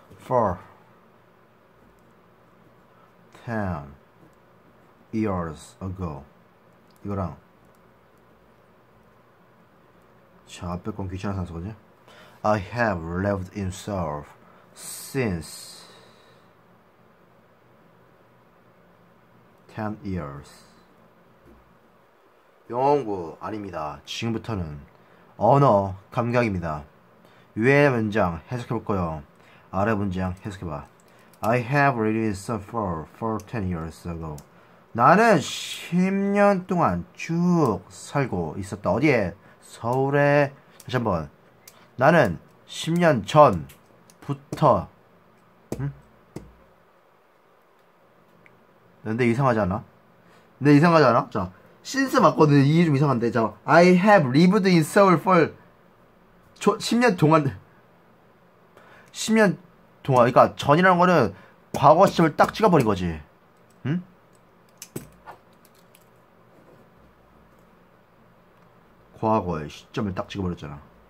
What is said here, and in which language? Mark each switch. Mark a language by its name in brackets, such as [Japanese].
[English] 4 10 years ago. [Korean] 이거랑 자 앞에 건 귀찮아서 거지. [English] I have lived in Seoul since 10 years. [Korean] 영어 공부 아닙니다. 지금부터는 언어 감각입니다. 위에 문장 해석해볼 거요. 아래 문장 해석해봐. [English] I have lived in Seoul for 10 years ago. [Korean] 나는 10년 동안 쭉 살고 있었다. 어디에? 서울에. 다시 한번. 나는 10년 전부터 근데 이상하지 않아? 근데 이상하지 않아? 자. Since 맞거든. 이게 좀 이상한데. [English] 자, I have lived in Seoul for [Korean] 10년 동안. 10년 동안. 그러니까 전이라는 거는 과거 시점을 딱 찍어버린 거지. 응? 과거의 시점을 딱 찍어버렸잖아.